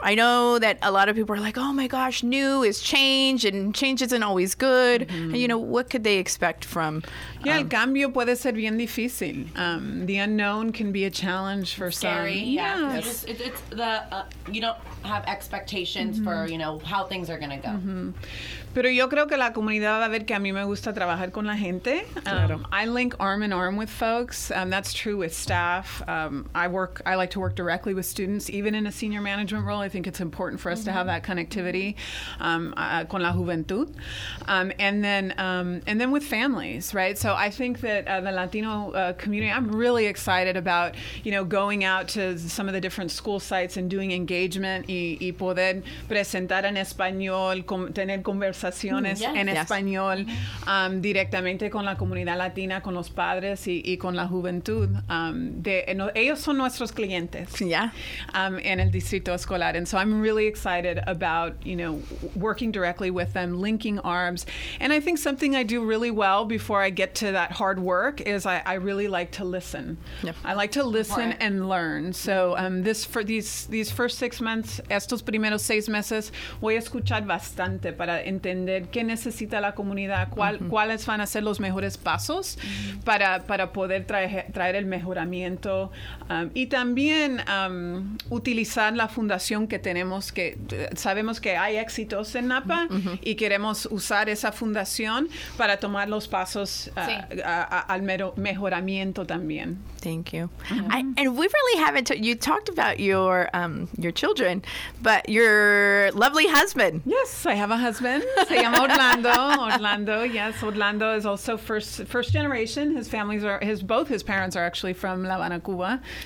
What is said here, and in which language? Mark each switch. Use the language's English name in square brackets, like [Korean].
[English] I know that a lot of people are like, oh my gosh, new is change and change isn't always good. Mm-hmm. And, you know, what could they expect from? Yeah, el cambio puede ser bien difícil. The unknown can be a challenge for scary, some. Yeah. Yes. You don't have expectations mm-hmm. for, you know, how things are going to go. Mm-hmm. [Spanish] Pero yo creo que la comunidad va a ver que a mí me gusta trabajar con la gente. Claro. [English] I link arm in arm with folks. That's true with staff. I like to work directly with students, even in a senior management role. I think it's important for us mm-hmm. to have that connectivity con la juventud. And then with families, right? So I think that the Latino community, I'm really excited about, you know, going out to some of the different school sites and doing engagement y poder presentar en español, tener conversaciones en español directamente con la comunidad latina, con los padres y con la juventud. [Spanish] Ellos son nuestros clientes en el distrito escolar. [English] And so I'm really excited about, you know, working directly with them, linking arms. And I think something I do really well before I get to that hard work is I really like to listen. Yep. [Spanish] I like to listen and learn. So these first 6 months, estos primeros seis meses, voy a escuchar bastante para entender qué necesita la comunidad, cuáles van a ser los mejores pasos para poder traer el mejoramiento. Y también utilizar la fundación que tenemos, que sabemos que hay éxitos en Napa y queremos usar esa fundación para tomar los pasos al mejoramiento también. [English] Thank you. Mm-hmm. You talked about your children, but your lovely husband. Yes, I have a husband. Se llama Orlando. Orlando, yes. Orlando is also first generation. His families are, both his parents are actually from La Habana, Cuba.